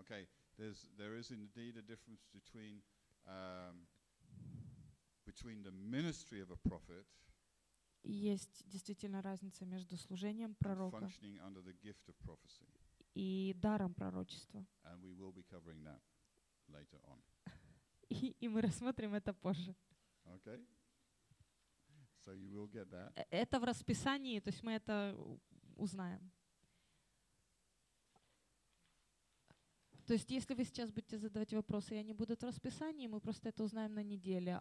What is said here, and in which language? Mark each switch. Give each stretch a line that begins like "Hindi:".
English: Okay, there is indeed a difference between between the ministry of a prophet.
Russian: Есть действительно разница между служением пророка
English: and functioning under the gift of prophecy.
Russian: И даром пророчества.
English: And we will be covering that later on.
Russian: И мы рассмотрим это позже.
English: Okay. So you will get that.
Russian: Это в расписании, то есть мы это узнаем. То есть если вы сейчас будете задавать вопросы, и они будут в расписании, мы просто это узнаем на неделе.